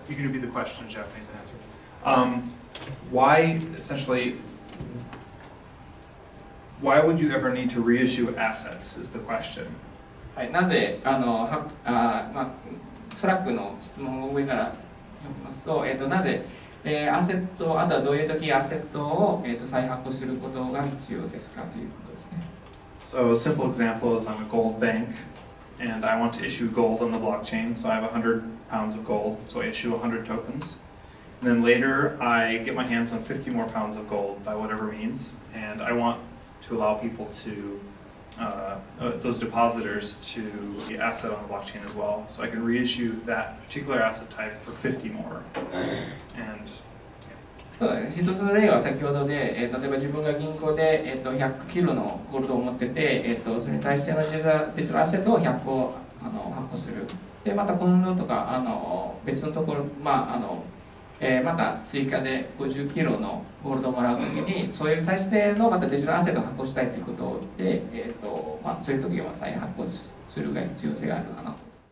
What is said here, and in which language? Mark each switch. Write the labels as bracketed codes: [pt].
[en] You can repeat the question in Japanese and answer. Why, essentially, why would you ever need to reissue assets? Is the question. [ja] はい、なぜあの、は、あ、まあ、スラックの質問を上から読みますと、なぜ、アセット、あとはどういう時アセットを、再発行することが必要ですかということですね。 [en] So a simple example is I'm a gold bank and I want to issue gold on the blockchain. So I have 100 pounds of gold, so I issue 100 tokens. And then later I get my hands on 50 more pounds of gold by whatever means. And I want to allow people to, those depositors to the asset on the blockchain as well. So I can reissue that particular asset type for 50 more. And... [ja] そうね、一つの例は先ほどで、例えば自分が銀行で、100キロのゴールドを持ってて、それに対してのデジタルアセットを100個あの発行する。で、また今度とかあの別のところ、まああのまた追加で50キロのゴールドをもらうときに、それに対してのまたデジタルアセットを発行したいということで、まあ、そういうときは再発行するが必要性があるかなと。